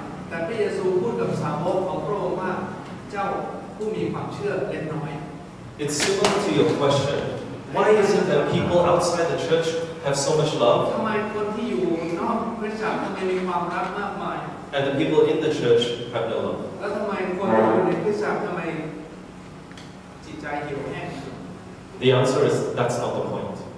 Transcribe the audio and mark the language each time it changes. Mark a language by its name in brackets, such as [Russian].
[Thai] แต่พระเยซูพูดกับสาวกของพระองค์ว่าเจ้าผู้มีความเชื่อเล็กน้อย [English] It's similar to your question. Why is it that people outside the church have so much love? [Thai] ทำไมคนที่อยู่นอกคริสตจักรมีความรักมากมาย [English] And the people in the church have no love. [Thai] แล้วทำไมคนที่อยู่ในคริสตจักรทำไมจิตใจเหี่ยวแห้ง [English] The answer is that's not the point.